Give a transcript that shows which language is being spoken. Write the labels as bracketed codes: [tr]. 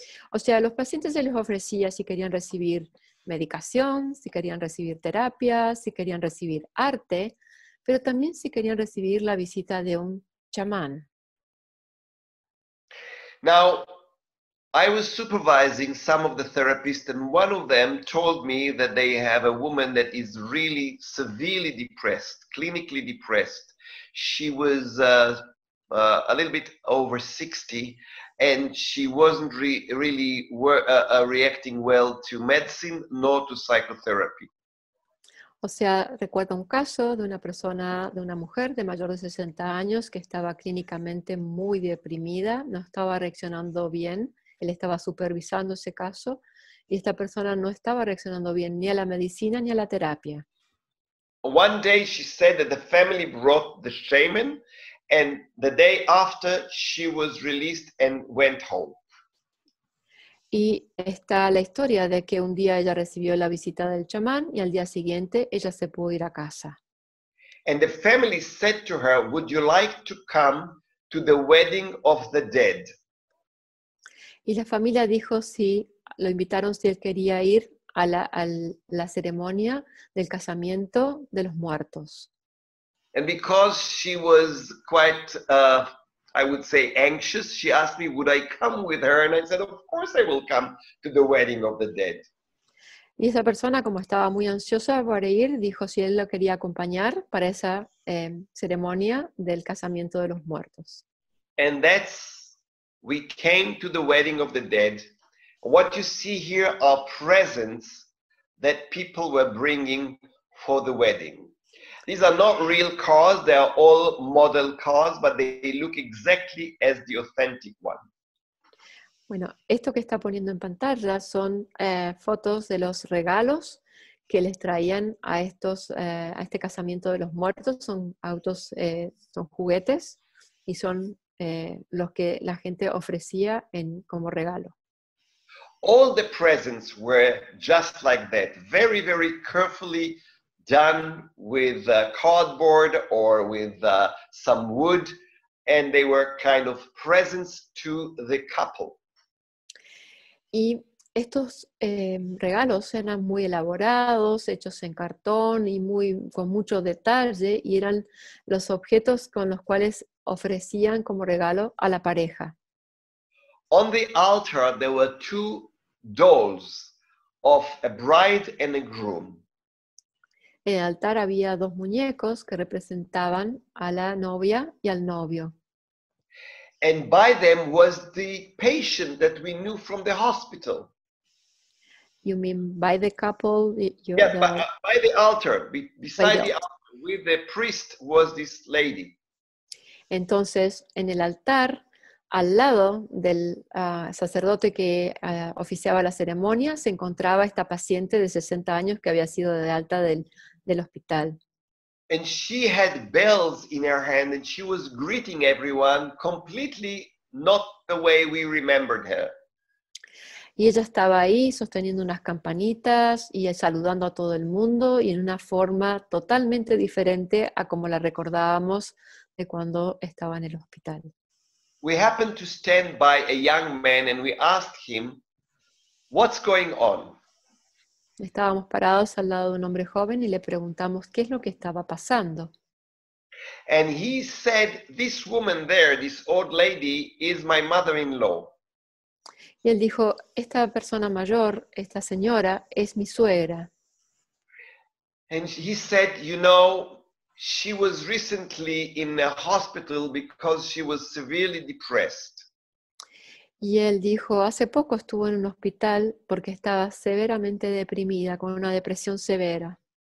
[es] O sea, los pacientes se les ofrecía si querían recibir medicación, si querían recibir terapia, si querían recibir arte, pero también si querían recibir la visita de un chamán. [en] Now, I was supervising some of the therapists, and one of them told me that they have a woman that is really severely depressed, clinically depressed. She was a little bit over 60, and she wasn't really reacting well to medicine nor to psychotherapy. [es] O sea, recuerdo un caso de una persona, de una mujer de mayor de 60 años que estaba clínicamente muy deprimida, no estaba reaccionando bien. Él estaba supervisando ese caso y esta persona no estaba reaccionando bien ni a la medicina ni a la terapia. [en] One day she said that the family brought the shaman, and the day after she was released and went home. [es] Y está la historia de que un día ella recibió la visita del chamán y al día siguiente ella se pudo ir a casa. [en] And the family said to her, "Would you like to come to the wedding of the dead?" [es] Y la familia dijo si lo invitaron si él quería ir a la ceremonia del casamiento de los muertos. [en] And because she was quite I would say anxious, she asked me would I come with her, and I said of course I will come to the wedding of the dead. [es] Y esa persona, como estaba muy ansiosa por ir, dijo si él lo quería acompañar para esa ceremonia del casamiento de los muertos. [en] And that's we came to the wedding of the dead. What you see here are presents that people were bringing for the wedding. These are not real cars, they are all model cars, but they look exactly as the authentic one. [es] Bueno, esto que está poniendo en pantalla son fotos de los regalos que les traían a estos a este casamiento de los muertos. Son autos, son juguetes y son los que la gente ofrecía en como regalo. [en] All the presents were just like that, very very carefully done with cardboard or with some wood, and they were kind of presents to the couple. [es] Y estos regalos eran muy elaborados, hechos en cartón y muy con mucho detalle, y eran los objetos con los cuales ofrecían como regalo a la pareja. [en] On the altar there were two dolls of a bride and a groom. [es] En el altar había dos muñecos que representaban a la novia y al novio. [en] And by them was the patient that we knew from the hospital. You mean by the couple? By the altar, beside the altar, with the priest was this lady. [es] Entonces, en el altar, al lado del sacerdote que oficiaba la ceremonia, se encontraba esta paciente de 60 años que había sido de alta del hospital. [en] And she had bells in her hand and she was greeting everyone completely not the way we remembered her. [es] Y ella estaba ahí sosteniendo unas campanitas y saludando a todo el mundo y en una forma totalmente diferente a como la recordábamos de cuando estaba en el hospital. [en] We happened to stand by a young man and we asked him, "What's going on?" [es] Estábamos parados al lado de un hombre joven y le preguntamos qué es lo que estaba pasando. [en] And he said, "This woman there, this old lady, is my mother-in-law." [es] Y él dijo, esta persona mayor, esta señora, es mi suegra. [en] And he said, "You know, she was recently in a hospital because she was severely depressed. [es] Y él dijo, hace poco estuvo en un hospital porque estaba severamente deprimida, con una depresión severa.